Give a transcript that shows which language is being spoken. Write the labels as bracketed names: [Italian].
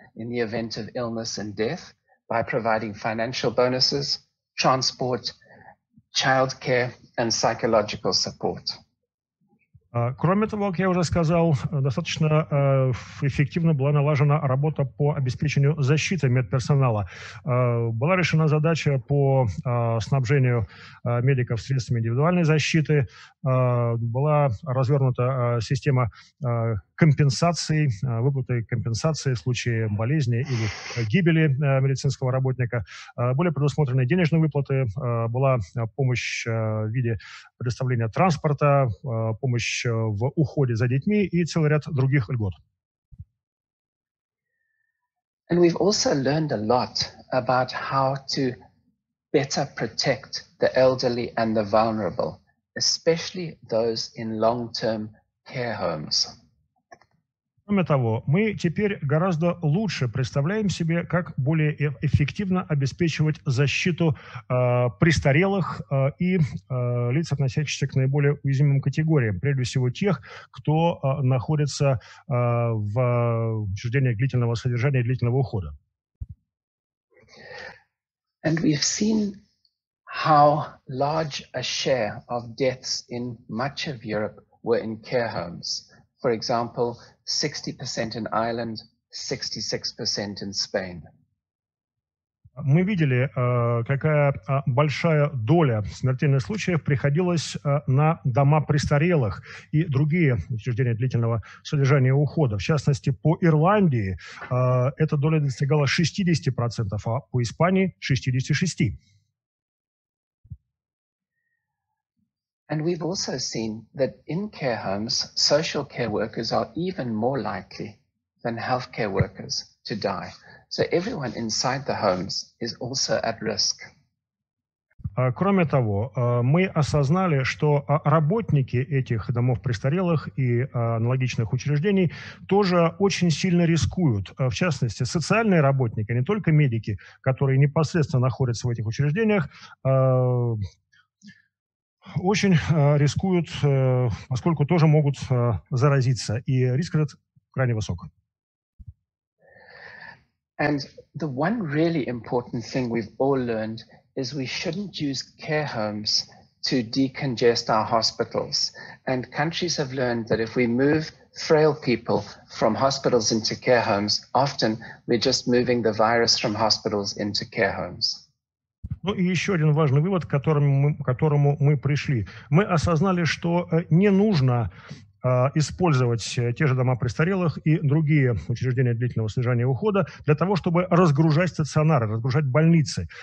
[English] in the event of illness and death by providing financial bonuses, transport, childcare, and psychological support. [Russian] Кроме того, как я уже сказал, достаточно эффективно была налажена работа по обеспечению защиты медперсонала. Была решена задача по снабжению медиков средствами индивидуальной защиты. Была развернута система компенсации, выплаты компенсации в случае болезни или гибели медицинского работника. Были предусмотрены денежные выплаты, была помощь в виде предоставления транспорта, помощь в уходе за детьми и целый ряд других льгот. [English] And we've also learned a lot about how to better protect the elderly and the vulnerable, especially those in long-term care homes. [Russian] Кроме того, мы теперь гораздо лучше представляем себе, как более эффективно обеспечивать защиту престарелых и лиц, относящихся к наиболее уязвимым категориям, прежде всего тех, кто находится в учреждениях длительного содержания и длительного ухода. [English] And we've seen how large a share of deaths in much of Europe were in care homes. For example, 60% in Ireland, 66% in Spain. [Russian] Мы видели, какая большая доля смертельных случаев приходилась на дома престарелых и другие учреждения длительного содержания и ухода. В частности, по Ирландии эта доля достигала 60%, а по Испании 66%. [English] And we've also seen that in care homes, social care workers are even more likely than healthcare workers to die. So everyone inside the homes is also at risk. [Russian] Кроме того, мы осознали, что работники этих домов престарелых и аналогичных учреждений тоже очень сильно рискуют. В частности, социальные работники, не только медики, которые непосредственно находятся в этих учреждениях, очень рискуют, поскольку тоже могут заразиться. И риск этот крайне высок. [English] And the one really important thing we've all learned is we shouldn't use care homes to decongest our hospitals. And countries have learned that if we move frail people from hospitals into care homes, often we're just moving the virus from hospitals into care homes. [Russian] Ну и еще один важный вывод, к которому мы пришли. Мы осознали, что не нужно использовать те же дома престарелых и другие учреждения длительного содержания и ухода для того, чтобы разгружать стационары, разгружать больницы.